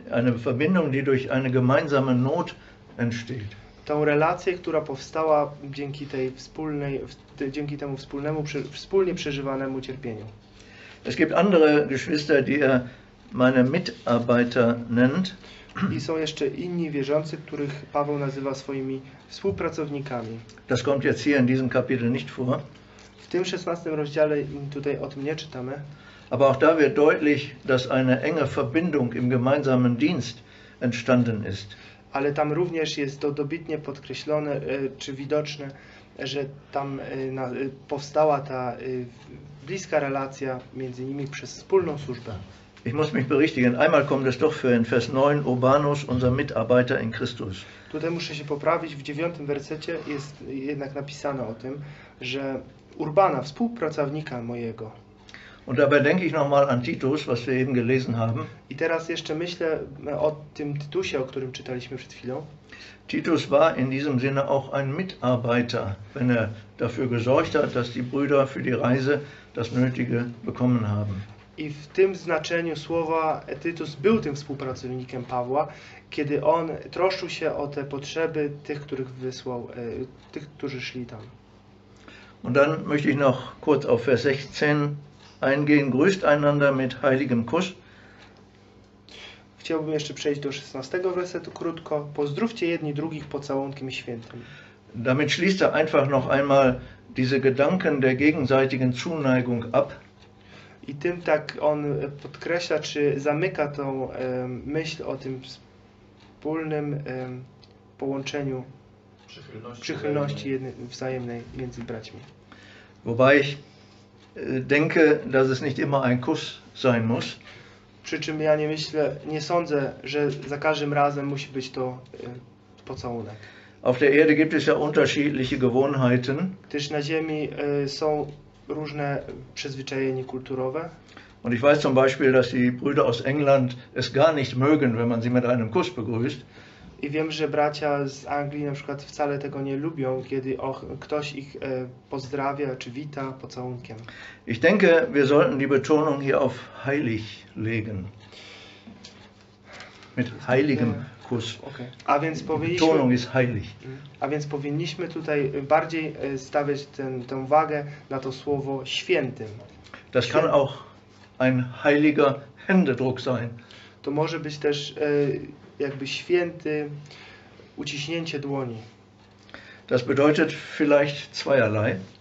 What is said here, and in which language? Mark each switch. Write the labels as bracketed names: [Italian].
[German] Eine Verbindung, die durch eine gemeinsame Not entsteht. [Polish] Tą relację, która powstała dzięki tej wspólnej, dzięki temu wspólnemu, wspólnie przeżywanemu cierpieniu. [German] Es gibt andere Geschwister, die er meine Mitarbeiter nennt. [Polish] I są jeszcze inni wierzący, których Paweł nazywa swoimi współpracownikami. [German] Das kommt jetzt hier in diesem Kapitel nicht vor. [Polish] W tym 16 rozdziale tutaj o tym nie czytamy. [German] Aber auch da wird deutlich, dass eine enge Verbindung im gemeinsamen Dienst entstanden ist. [Polish] Ale tam również jest to dobitnie podkreślone, czy widoczne, że tam powstała ta bliska relacja między nimi przez wspólną służbę. [German] Ich muss mich berichtigen. Einmal kommt es doch für in Vers 9 Urbanus, unser Mitarbeiter in Christus. [Polish] Tutaj muszę się poprawić. W 9 wersecie jest jednak napisane o tym, że Urbana, współpracownika mojego. [German] Und dabei denke ich nochmal an Titus, was wir eben gelesen haben. [Polish] I teraz jeszcze myślę o tym Titusie, o którym czytaliśmy przed chwilą. [German] Titus war in diesem Sinne auch ein Mitarbeiter, wenn er dafür gesorgt hat, dass die Brüder für die Reise das Nötige bekommen haben. [Polish] I w tym znaczeniu słowa Tytus był tym współpracownikiem Pawła, kiedy on troszczył się o te potrzeby tych, których wysłał, tych, którzy szli tam. [German] Und dann möchte ich noch kurz auf Vers 16 eingehen. Grüßt einander mit heiligem Kuss. [Polish] Chciałbym jeszcze przejść do 16 wersetu krótko. Pozdrówcie jedni drugich pocałunkiem świętym. [German] Damit schließt er einfach noch einmal diese Gedanken der gegenseitigen Zuneigung ab. [Polish] I tym tak on podkreśla, czy zamyka tą myśl o tym wspólnym połączeniu przychylności wzajemnej między braćmi. [German] Wobei ich denke, dass es nicht immer ein Kuss sein muss. [Polish] Przy czym ja nie myślę, nie sądzę, że za każdym razem musi być to pocałunek. [German] Auf der Erde gibt es ja unterschiedliche Gewohnheiten. [Polish] Gdyż na ziemi są różne przyzwyczajenia kulturowe. [German] Und ich weiß zum Beispiel, dass die Brüder aus England es gar nicht mögen, wenn man sie mit einem Kuss begrüßt. [Polish] I wiem, że bracia z Anglii na przykład wcale tego nie lubią, kiedy ktoś ich pozdrawia czy wita pocałunkiem. [German] Ich denke, wir sollten die Betonung hier auf heilig legen. Mit heiligem Kuss. [Polish] Okay. A więc powinniśmy, [German] Betonung ist heilig. [Polish] A więc powinniśmy tutaj bardziej stawiać tę wagę na to słowo świętym. [German] Das kann auch ein heiliger Händedruck sein. [Polish] To może być też jakby święty uciśnięcie dłoni. [German] Das bedeutet vielleicht zweierlei.